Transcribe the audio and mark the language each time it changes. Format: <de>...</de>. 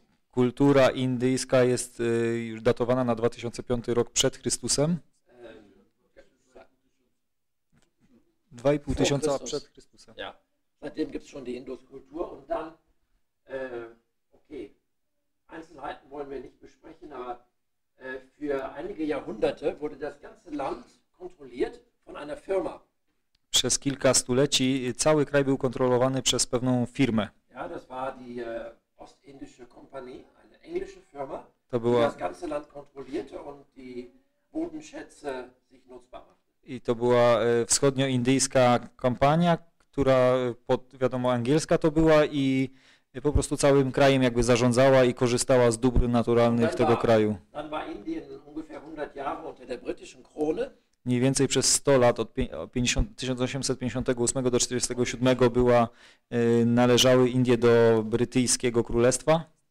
<pl>Kultura indyjska jest już datowana na 2005 rok przed Chrystusem. 2,5 tysiąca przed Chrystusem.</pl> <de>Seitdem gibt es schon die Induskultur und dann, okay, Einzelheiten wollen wir nicht besprechen, aber für einige Jahrhunderte wurde das ganze Land kontrolliert von einer Firma.</de> <pl>Przez kilka stuleci cały kraj był kontrolowany przez pewną firmę.</pl> <de>Ja, das war die Ostindische Kompanie, eine englische Firma,</de> <pl>to była...</pl> <de>die das ganze Land kontrollierte und die Bodenschätze sich nutzbar machte.</de> <pl>I to była wschodnioindyjska kompania, która pod, wiadomo, angielska to była i po prostu całym krajem jakby zarządzała i korzystała z dóbr naturalnych tego kraju.</pl> <de>Dann war Indien ungefähr 100 Jahre unter der britischen Krone.</de> <pl>Mniej więcej przez 100 lat, od 1858 do 1847 była, należały Indie do brytyjskiego królestwa.</pl>